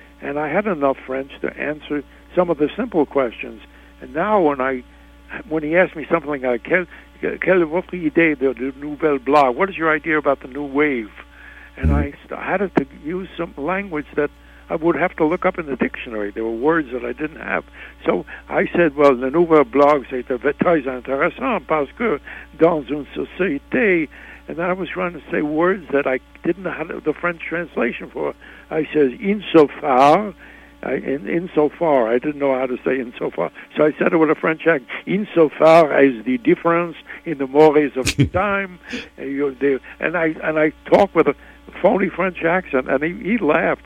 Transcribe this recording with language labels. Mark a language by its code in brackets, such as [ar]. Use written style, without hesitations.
[en] And I had enough French to answer some of the simple questions. And now when he asked me something like, [fr] quelle est votre idée de la nouvelle blague? [en] What is your idea about the new wave? And I had to use some language that I would have to look up in the dictionary. There were words that I didn't have. So I said, well, [fr] la nouvelle blague, c'est très intéressant parce que dans une société. [en] And I was trying to say words that I didn't have the French translation for. I said, insofar, I didn't know how to say insofar. So I said it with a French accent, insofar as the difference in the mores of the time. And I talked with a phony French accent, and he laughed.